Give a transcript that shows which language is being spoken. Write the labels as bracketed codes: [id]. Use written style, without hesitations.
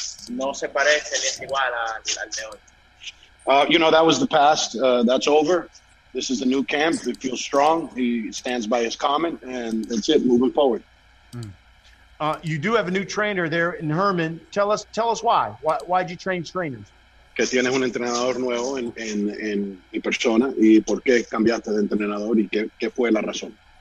[es] no se parece ni es igual al de hoy. [en] You know, that was the past. That's over. This is the new camp. It feels strong. He stands by his comment, and that's it. Moving forward. Mm. You do have a new trainer there in Herman. Tell us why. Why did you change trainers? [es] Que tienes un entrenador nuevo en mi persona, y por qué cambiaste de entrenador, y qué fue la razón.